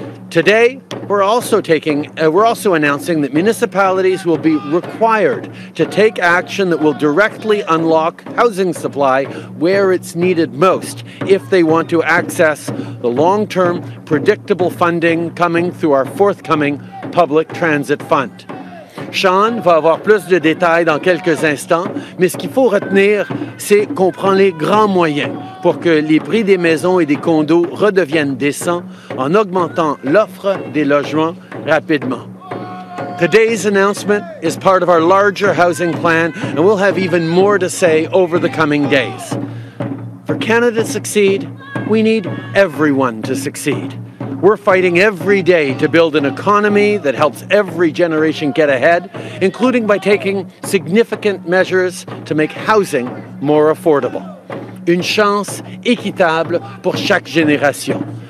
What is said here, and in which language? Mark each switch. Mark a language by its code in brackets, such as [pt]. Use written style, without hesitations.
[en] Today, we're also announcing that municipalities will be required to take action that will directly unlock housing supply where it's needed most if they want to access the long-term predictable funding coming through our forthcoming public transit fund. [fr] Sean va avoir plus de détails dans quelques instants, mais ce qu'il faut retenir, c'est qu'on prend les grands moyens pour que les prix des maisons et des condos redeviennent décents en augmentant l'offre des logements rapidement. [en] Today's announcement is part of our larger housing plan, and we'll have even more to say over the coming days. For Canada to succeed, we need everyone to succeed. We're fighting every day to build an economy that helps every generation get ahead, including by taking significant measures to make housing more affordable. [fr] Une chance équitable pour chaque génération.